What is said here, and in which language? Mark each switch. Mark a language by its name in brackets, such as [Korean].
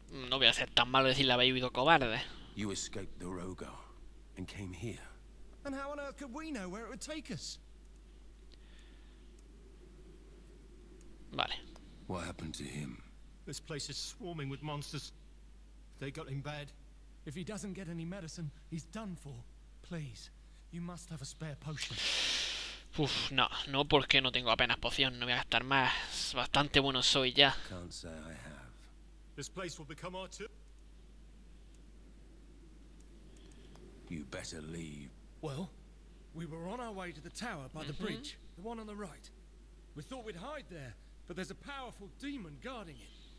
[Spanish] No voy a ser tan malo decirle a Baby Go cobarde. [English] You escaped the Rogar and came here. And how on earth could we know where it would take us? [Spanish] Vale. [English] What happened to him? This place is swarming with monsters. They got him bad. If he doesn't get any medicine, he's done for. Please, you must have a spare potion. [Spanish] Uf, no, no, porque no tengo apenas poción. No voy a gastar más. Bastante bueno soy ya. [English] Can't say I have. This place will become our tomb. You better leave. Well, we were on our way to the tower by the bridge, the one on the right. We thought we'd hide there, but there's a powerful demon guarding it.